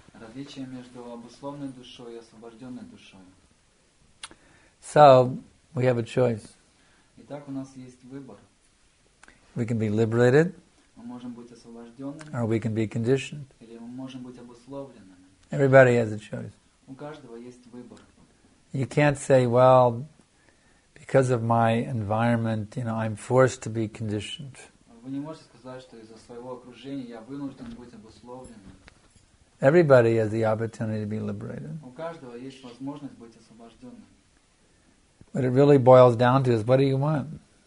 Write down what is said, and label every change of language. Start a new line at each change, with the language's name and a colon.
Russian: Различие между обусловленной душой и освобожденной душой.
English: So, we have a choice.
Russian: Итак, у нас есть выбор.
English: We can be liberated.
Russian: Мы можем быть освобожденными.
English: Or we can be conditioned.
Russian: Или мы можем быть обусловленными.
English: Everybody has a choice.
Russian: У каждого есть выбор.
English: You can't say, well, because of my environment, you know, I'm forced to be conditioned.
Russian: Вы не можете сказать, что из-за своего окружения я вынужден быть обусловленным.
English: Everybody has the opportunity to be liberated.
Russian: У каждого есть возможность быть освобожденным.
English: What it really boils down to is, what do you want?